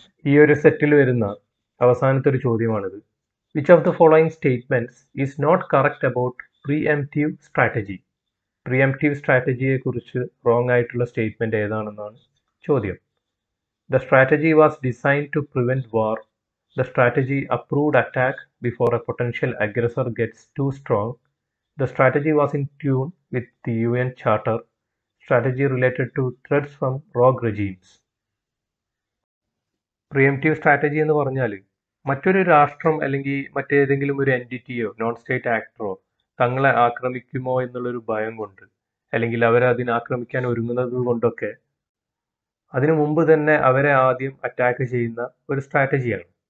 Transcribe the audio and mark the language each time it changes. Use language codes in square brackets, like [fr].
[ml] ഈ ഒരു സെറ്റിൽ വരുന്ന അവസാനത്തെ ഒരു ചോദ്യമാണിത്. [en] Which of the following statements is not correct about preemptive strategy? [ml] Pre-emptive സ്ട്രാറ്റജിയെ കുറിച്ച് റോങ് ആയിട്ടുള്ള സ്റ്റേറ്റ്മെന്റ് ഏതാണെന്നാണ് ചോദ്യം. [en] The strategy was designed to prevent war. The strategy approved attack before a potential aggressor gets too strong. The strategy was in tune with the UN charter. Strategy related to threats from rogue regimes. [ml] Preemptive strategy എന്ന് പറഞ്ഞാൽ മറ്റൊരു രാഷ്ട്രം അല്ലെങ്കിൽ മറ്റേതെങ്കിലും ഒരു എൻറ്റിറ്റിയോ non state ആക്ടറോ തങ്ങളെ ആക്രമിക്കുമോ എന്നുള്ളൊരു ഭയം കൊണ്ട് അല്ലെങ്കിൽ അവരെ അതിനാക്രമിക്കാൻ ഒരുങ്ങുന്നത് കൊണ്ടൊക്കെ അതിനു മുമ്പ് തന്നെ അവരെ ആദ്യം അറ്റാക്ക് ചെയ്യുന്ന ഒരു സ്ട്രാറ്റജിയാണ്.